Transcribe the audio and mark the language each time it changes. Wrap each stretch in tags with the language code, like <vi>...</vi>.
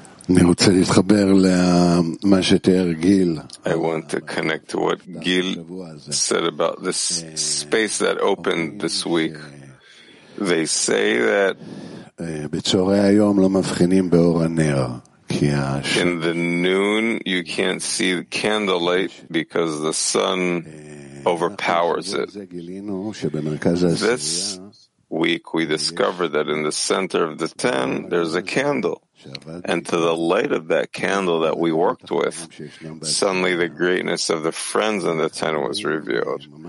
<he>אני רוצה להתחבר למה שתיאר גיל.</he> <en>I want to connect to what Gil said about this space that opened this week. They say that</en> <he>בצהרי היום לא מבחינים באור הנר.</he> <en>In the noon, you can't see the candlelight because the sun overpowers it. This week, we discovered that in the center of the ten, there's a candle. And to the light of that candle that we worked with, suddenly the greatness of the friends in the ten was revealed.</en>